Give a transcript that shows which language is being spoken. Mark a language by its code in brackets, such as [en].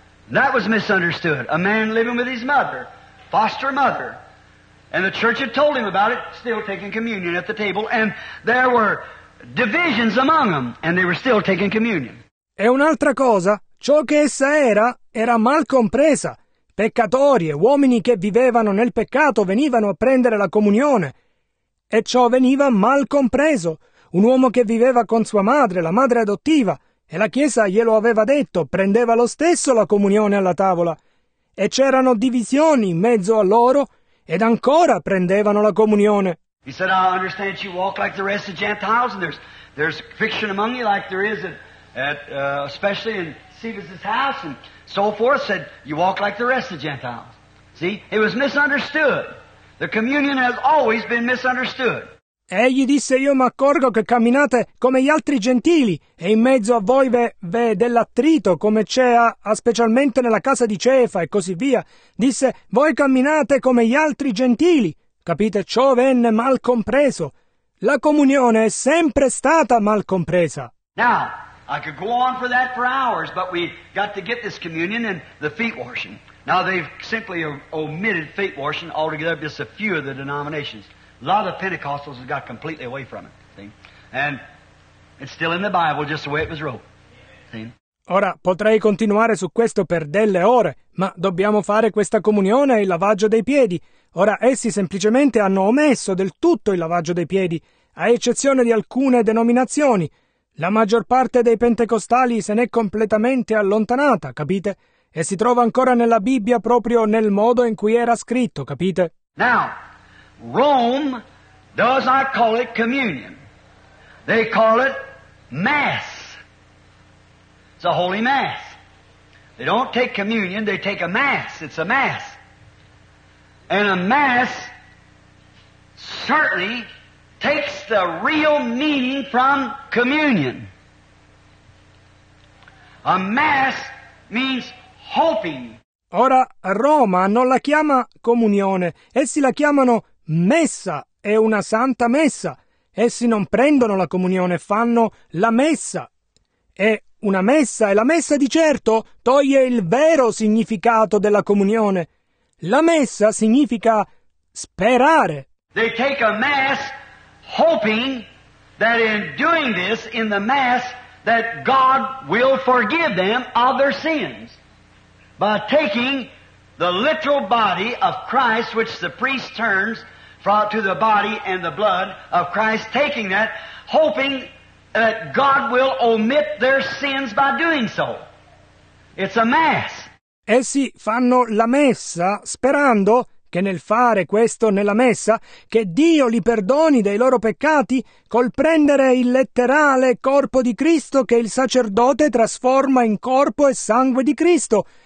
[en] That was misunderstood. A man living with his mother, foster mother. And the church had told him about it, still taking communion at the table. And there were divisions among them, and they were still taking communion. [it] E un'altra cosa, ciò che essa era mal compresa. Peccatori e uomini che vivevano nel peccato venivano a prendere la comunione. E ciò veniva mal compreso. Un uomo che viveva con sua madre, la madre adottiva, e la Chiesa glielo aveva detto, prendeva lo stesso la comunione alla tavola. E c'erano divisioni in mezzo a loro, ed ancora prendevano la comunione. [en] He said, I understand you walk like the rest of Gentiles, and there's fiction among you like there is especially in Cephas's house, and so forth, said, you walk like the rest of Gentiles. See, it was misunderstood. The communion has always been misunderstood. [it] Egli disse, io mi accorgo che camminate come gli altri gentili, e in mezzo a voi v'è dell'attrito, come c'è specialmente nella casa di Cefa, e così via. Disse, voi camminate come gli altri gentili. Capite? Ciò venne mal compreso. La comunione è sempre stata mal compresa. [en] Now, I could go on for that for hours, but we got to get this communion and the feet washing. Now, they've simply omitted feet washing altogether, just a few of the denominations. A lot of Pentecostals have got completely away from it, see? And it's still in the Bible, just the way it was wrote, see? [it] Ora, potrei continuare su questo per delle ore, ma dobbiamo fare questa comunione e il lavaggio dei piedi. Ora, essi semplicemente hanno omesso del tutto il lavaggio dei piedi, a eccezione di alcune denominazioni. La maggior parte dei pentecostali se n'è completamente allontanata, capite? E si trova ancora nella Bibbia proprio nel modo in cui era scritto, capite? [en] Now, Rome does not call it communion. They call it mass. It's a holy mass. They don't take communion, they take a mass. It's a mass. And a mass certainly takes the real meaning from communion. A mass means hoping. [it] Ora, Roma non la chiama comunione, essi la chiamano messa, è una santa messa. Essi non prendono la comunione, fanno la messa. È una messa, e la messa di certo toglie il vero significato della comunione. La messa significa sperare. [en] They take a mass hoping that in doing this in the mass that God will forgive them of their sins. By taking the literal body of Christ, which the priest turns brought to the body and the blood of Christ, taking that, hoping that God will omit their sins by doing so. It's a mass. [it] Essi fanno la messa sperando che nel fare questo nella messa, che Dio li perdoni dei loro peccati col prendere il letterale corpo di Cristo che il sacerdote trasforma in corpo e sangue di Cristo.